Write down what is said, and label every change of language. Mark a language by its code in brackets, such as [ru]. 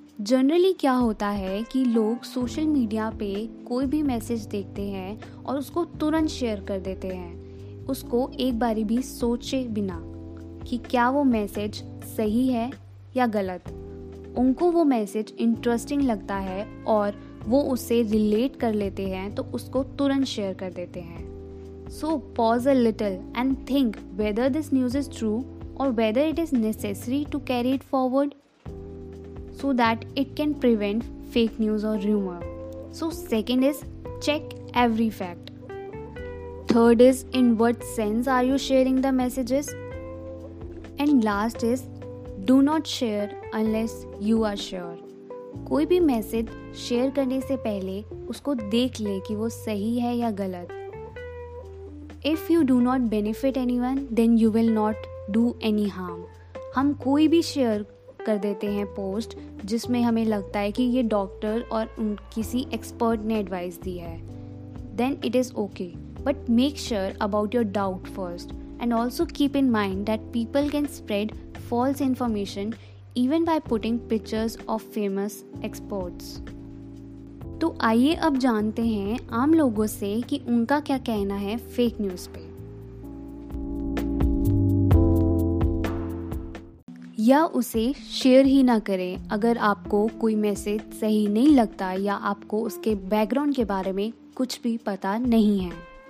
[hi] Generally क्या होता है कि लोग social media पे कोई भी message देखते हैं और उसको तुरंत share कर देते हैं, उसको एक बारी भी सोचे बिना कि क्या वो message सही है या गलत। उनको वो message interesting लगता है और वो उसे relate कर लेते हैं तो उसको तुरंत share कर देते हैं। [en] So pause a little and think whether this news is true or whether it is necessary to carry it forward so that it can prevent fake news or rumor. So second is check every fact. Third is in what sense are you sharing the messages? And last is do not share unless you are sure. [hi] कोई भी message share करने से पहले उसको देख ले कि वो सही है या गलत। [en] If you do not benefit anyone, then you will not do any harm. [hi] हम कोई भी शेयर कर देते हैं पोस्ट जिसमें हमें लगता है कि ये डॉक्टर और किसी एक्सपर्ट ने एडवाइस दी है, [en] then it is okay. But make sure about your doubt first. And also keep in mind that people can spread false information even by putting pictures of famous experts. [hi] तो आइए अब जानते हैं आम लोगों से कि उनका क्या कहना है फेक न्यूज़ पे या उसे शेयर ही ना करें अगर आपको कोई मैसेज सही नहीं लगता या आपको उसके बैकग्राउंड के बारे में कुछ भी पता नहीं है।